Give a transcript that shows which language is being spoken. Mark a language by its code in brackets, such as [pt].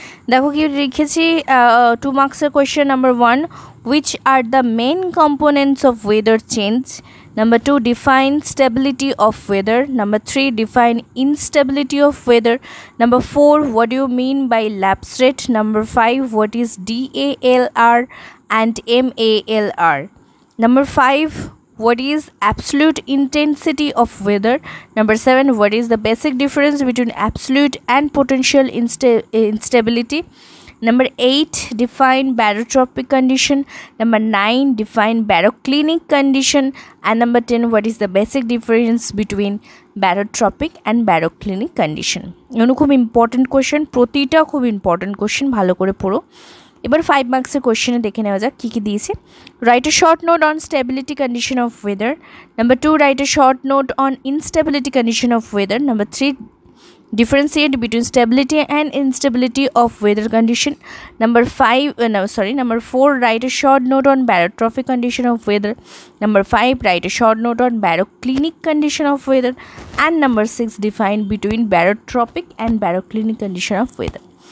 [bn] দেখো কি লিখেছি, [en] 2 মার্ক্সের question. Number 1 which are the main components of weather change, number 2 define stability of weather, number 3 define instability of weather, number 4 what you mean by lapse rate, number 5 what is DALR and MALR, number 5 What is absolute intensity of weather? Number 7, what is the basic difference between absolute and potential instability? Number 8, define barotropic condition. Number 9, define baroclinic condition. And number 10, what is the basic difference between barotropic and baroclinic condition? This is a very important question. Protita is a very important question. [bn] Bhalo kore poro. এবার 5 মার্ক্সের কোয়েশ্চেনে দেখে নেওয়া যাক কী কী দিয়েছে। [en] Write a short note on stability condition of weather, number 2 write a short note on instability condition of weather, number 3 differentiate between stability and instability of weather condition, number 4 write a short note on barotropic condition of weather, number 5 write a short note on baroclinic condition of weather, and number 6 define between barotropic and baroclinic condition of weather.